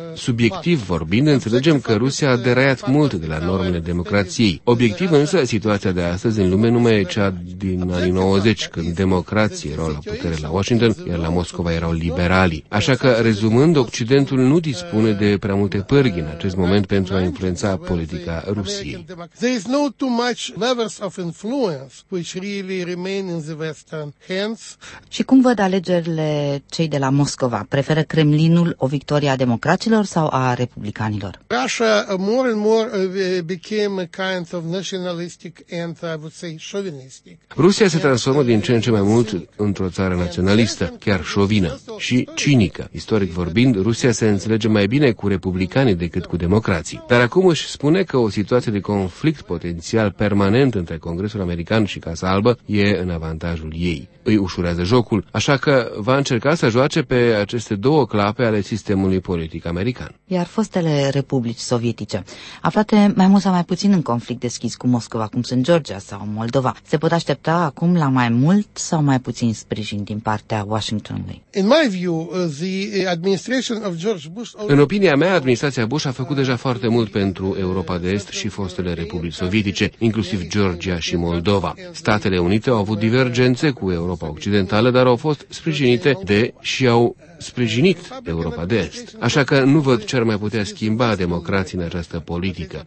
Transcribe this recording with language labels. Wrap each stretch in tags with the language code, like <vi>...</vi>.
<ro>Subiectiv vorbind, înțelegem că Rusia a deraiat mult de la normele democrației. Obiectiv însă, situația de astăzi în lume nu mai e cea din anii 90, când democrații erau la putere la Washington, iar la Moscova erau liberalii. Așa că, rezumând, Occidentul nu dispune de prea multe pârghii în acest moment pentru a influența politica Rusiei.</ro> <en>There is not too much levers of influence which really remain in the western hands.</en> <ro>Și cum văd alegerile cei de la Moscova? Preferă Kremlinul o victorie a democraților sau a republicanilor?</ro> <en>Russia more and more became a kind of nationalistic and I would say chauvinistic.</en> <ro>Rusia se transformă din ce în ce mai mult într-o țară naționalistă, chiar șovină și cinică. Istoric vorbind, Rusia se înțelege mai bine cu republicanii decât cu democrații. Dar acum își spune că o situație de conflict potențial permanent între Congresul American și Casa Albă e în avantajul ei. Îi ușurează jocul, așa că va încerca să joace pe aceste două clape ale sistemului politic american. Iar fostele republici sovietice, aflate mai mult sau mai puțin în conflict deschis cu Moscova, cum sunt Georgia sau Moldova, se pot aștepta acum la mai mult sau mai puțin sprijin din partea Washingtonului?</ro> <en>In my view, the administration of George Bush...</en> <ro>În opinia mea, administrația Bush a făcut deja foarte mult pentru Europa de Est și fostele republici sovietice, inclusiv Georgia și Moldova. Statele Unite au avut divergențe cu Europa Occidentală, dar au fost sprijinite de și au sprijinit Europa de Est. Așa că nu văd ce ar mai putea schimba democrații în această politică.</ro>